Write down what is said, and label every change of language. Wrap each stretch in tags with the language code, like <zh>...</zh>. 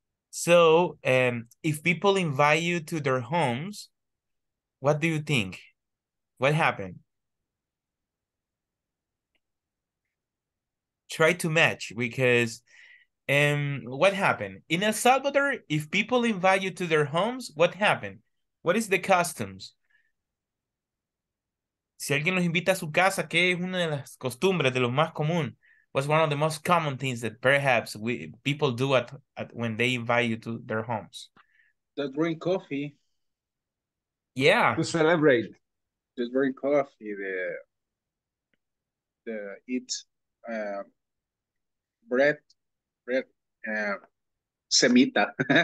<en>So, if people invite you to their homes, what do you think? What happened? Try to match because, what happened? In El Salvador, if people invite you to their homes, what happened? What is the customs?</en> <es>Si alguien los invita a su casa, ¿qué es una de las costumbres de los más común?</es> <en>What's one of the most common things that perhaps we people do at when they invite you to their homes? The green coffee Yeah. to celebrate. Just drink coffee. The eat bread semita.</en>